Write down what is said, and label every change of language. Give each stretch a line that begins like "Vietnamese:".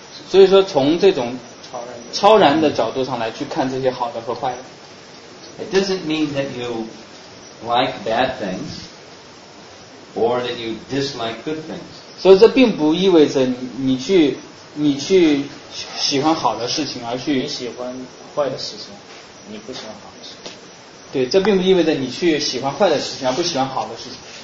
Chinese: 所以说，从这种超然的角度上来去看这些好的和坏的。
English: It doesn't mean that you like bad things or that you dislike good things.
Chinese: 所以这并不意味着你去喜欢好的事情，而去你喜欢坏的事情，你不喜欢好的事情。对，这并不意味着你去喜欢坏的事情，而不喜欢好的事情。